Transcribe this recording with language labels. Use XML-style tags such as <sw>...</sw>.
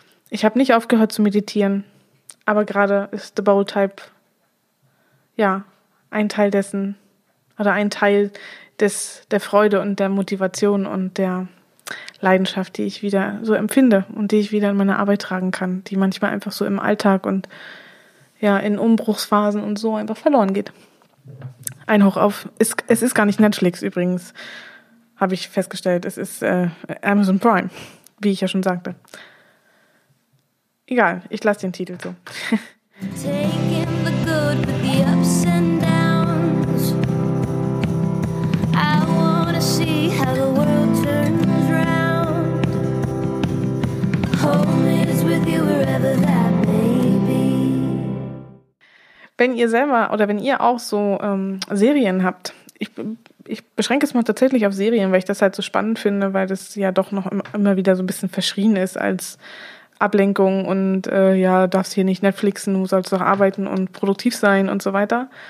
<de>Ich habe nicht aufgehört zu meditieren. Aber gerade ist The Bold Type, ja, ein Teil dessen oder ein Teil der Freude und der Motivation und der Leidenschaft, die ich wieder so empfinde und die ich wieder in meine Arbeit tragen kann, die manchmal einfach so im Alltag und ja, in Umbruchsphasen und so einfach verloren geht. Ein Hoch auf, es ist gar nicht Netflix übrigens, habe ich festgestellt, es ist Amazon Prime, wie ich ja schon sagte. Egal, ich lasse den Titel so.</de> <en>Taking the good with the ups and downs. I wanna see how the world turns round. Home is with you wherever that may be.</en> <de>Wenn ihr selber oder wenn ihr auch so Serien habt, ich beschränke es mal tatsächlich auf Serien, weil ich das halt so spannend finde, weil das ja doch noch immer wieder so ein bisschen verschrien ist als Ablenkung und ja, darfst hier nicht Netflixen, du sollst doch arbeiten und produktiv sein und so weiter.</de>